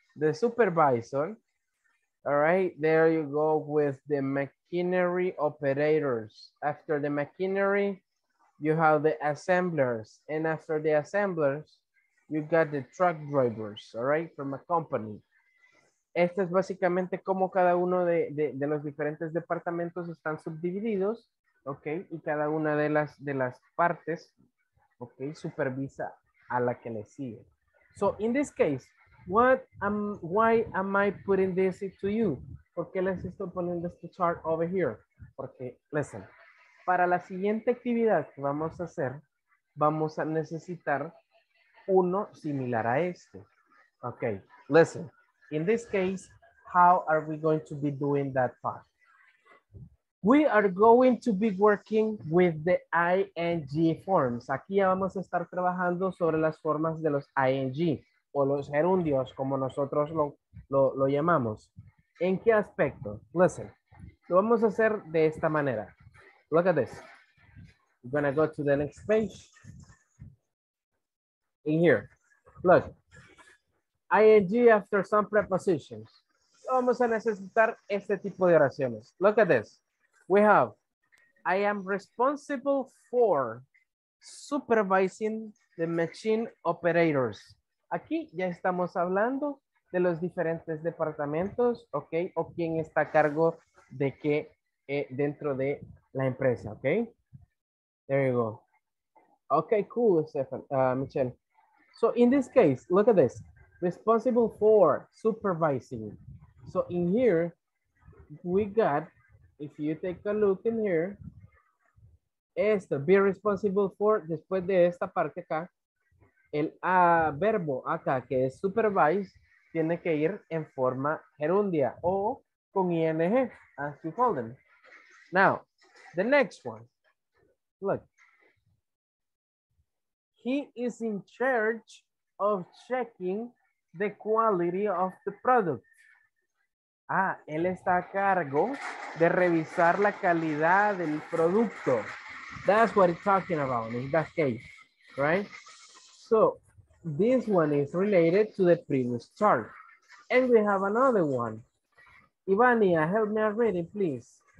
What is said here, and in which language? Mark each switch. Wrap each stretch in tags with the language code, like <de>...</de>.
<en>The supervisor, all right, there you go with the machinery operators. After the machinery, you have the assemblers. And after the assemblers, you got the truck drivers, all right, from a company.</en> <es>Este es básicamente como cada uno de los diferentes departamentos están subdivididos, ok, y cada una de las partes, ok, supervisa a la que le sigue.</es> <en>So, in this case, why am I putting this to you?</en> <es>¿Por qué les estoy poniendo este chart</es> <en>over here?</en> <es>Porque,</es> <en>listen,</en> <es>para la siguiente actividad que vamos a hacer, vamos a necesitar uno similar a este.</es> <en>Ok, listen. In this case, how are we going to be doing that part? We are going to be working with the ING forms.</en> <es>Aquí ya vamos a estar trabajando sobre las formas de los ING o los gerundios, como nosotros lo llamamos. ¿En qué aspecto?</es> <en>Listen,</en> <es>lo vamos a hacer de esta manera.</es> <en>Look at this. We're gonna go to the next page. In here. Look. ING after some prepositions.</en> <es>Vamos a necesitar este tipo de oraciones.</es> <en>Look at this. We have, I am responsible for supervising the machine operators.</en> <es>Aquí ya estamos hablando de los diferentes departamentos, ok, o quién está a cargo de qué dentro de la empresa, ok.</es> <en>There you go. Ok, cool, Stefan, Michelle. So in this case, look at this. Responsible for supervising. So in here, we got, if you take a look in here,</en> <es>esto,</es> <en>be responsible for,</en> <es>después de esta parte acá, el verbo acá, que es supervise, tiene que ir en forma gerundia o con ing,</es> <en>as you call them. Now, the next one. Look. He is in charge of checking the quality of the product.</en> <es>Ah, él está a cargo de revisar la calidad del producto.</es> <en>That's what it's talking about in that case, right? So, this one is related to the previous chart. And we have another one. Ivania, help me already, please.</en>